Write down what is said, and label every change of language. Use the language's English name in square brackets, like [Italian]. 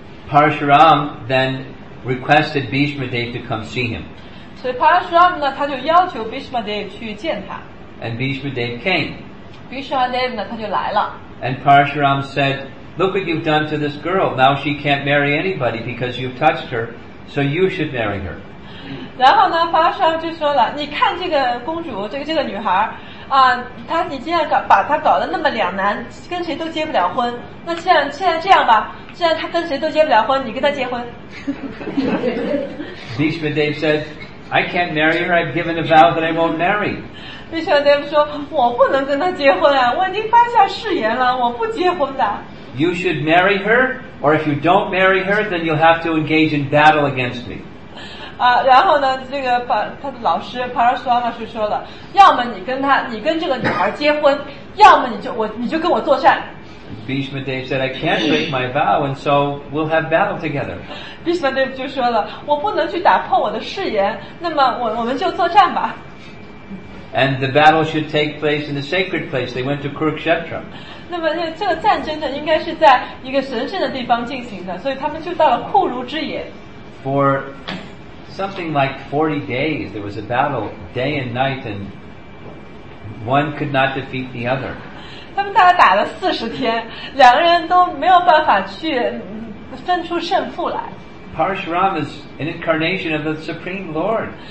[English] Parashuram then requested Bhishma Dev to come see him. [Chinese] 所以 Parashuram 呢，他就要求 Bhishma Dev 去见他。 [English] And Bhishma Dev came. [Chinese] Bhishma Dev 呢，他就来了。 [English] And Parashuram said, "Look what you've done to this girl. Now she can't marry anybody because you've touched her. So you should marry her." [Chinese] 然后呢，法师就说了：“你看这个公主，这个女孩啊，她你既然把她搞得那么两难，跟谁都结不了婚。那现在这样吧，既然她跟谁都结不了婚，你跟她结婚。 [English] ”Bhishma Dev said, "I can't marry her. I've given a vow that I won't marry." [Chinese] Bhishma Dev 说：“我不能跟她结婚啊，我已经发下誓言了，我不结婚的。” [English] You should marry her, or if you don't marry her, then you'll have to engage in battle against me. [Chinese] 然后呢，这个他的老师 Parashurama 是说了，要么你跟这个女孩结婚，要么你就跟我作战。 [English] Bhishma Dev said, "I can't break my vow, and so we'll have battle together." [Chinese] Bhishma Dev 就说了，我不能去打破我的誓言，那么我们就作战吧。 [English] And the battle should take place in the sacred place. They went to Kurukshetra. [Chinese] 那么这个战争呢，应该是在一个神圣的地方进行的，所以他们就到了库卢之野。 [English] For something like 40 days, there was a battle day and night, and one could not defeat the other. [Chinese] 他们大概打了40天，两个人都没有办法去分出胜负来。 [English] Parashuram is an incarnation of the Supreme Lord.